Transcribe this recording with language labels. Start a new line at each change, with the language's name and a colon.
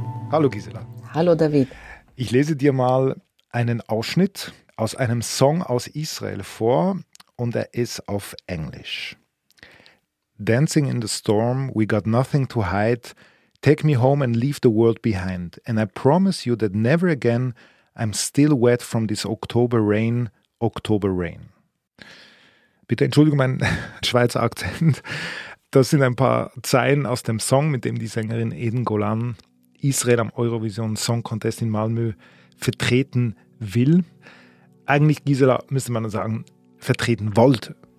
German: Hallo Gisela. Hallo David. Ich lese dir mal einen Ausschnitt aus einem Song aus Israel vor und er ist auf Englisch.
English: Dancing in the storm, we got nothing to hide. Take me home and leave the world behind. And I promise you that never again I'm still wet from this October rain, October rain.
German: Bitte entschuldige meinen Schweizer Akzent. Das sind ein paar Zeilen aus dem Song, mit dem die Sängerin Eden Golan Israel am Eurovision Song Contest in Malmö vertreten will. Eigentlich, Gisela, müsste man sagen, vertreten wollte.